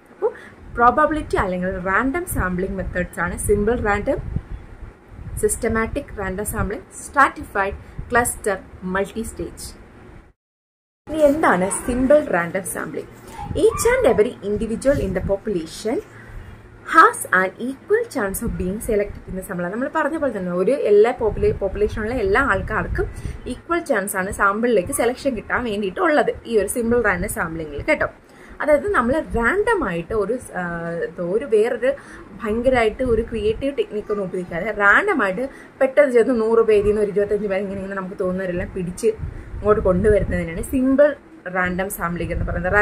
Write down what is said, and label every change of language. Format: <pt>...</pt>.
<ml>അപ്പോൾ പ്രോബബിലിറ്റി അല്ലെങ്കിൽ random sampling methods ആണ് simple random, systematic random sampling, stratified, cluster, multi stage. ഇനി എന്താണ് simple random sampling?</ml> <en>Each and every individual in the population has an equal chance of being selected in the sample.</en> <ml>നമ്മൾ പറഞ്ഞ പോലെ തന്നെ ഒരു എല്ലാ പോപ്പുലേഷനുള്ള എല്ലാ ആൾക്കാർക്കും ഈക്വൽ ചാൻസ് ആണ് സാമ്പിളിലേക്ക് സെലക്ഷൻ കിട്ടാൻ വേണ്ടിയിട്ട് ഉള്ളത് ഈ ഒരു സിമ്പിൾ റാൻഡം സാമ്പിളിംഗിൽ കേട്ടോ. അതായത് നമ്മൾ റാൻഡം ആയിട്ട് ഒരു വേറൊരു ഭയങ്കരമായിട്ട് ഒരു ക്രിയേറ്റീവ് ടെക്നിക്കൊന്നും ഉപയോഗിക്കാതെ റാൻഡമായിട്ട് പെട്ടെന്ന് ചേർന്ന് 100 പേരിൽ നിന്ന് ഒരു 25 പേര് ഇങ്ങനെ നമുക്ക് തോന്നുന്നവരെല്ലാം പിടിച്ച് ഇങ്ങോട്ട് കൊണ്ടുവരുന്നതിനാണ് സിമ്പിൾ റാൻഡം സാമ്പിളിംഗ് എന്ന് പറയുന്നത്.</ml>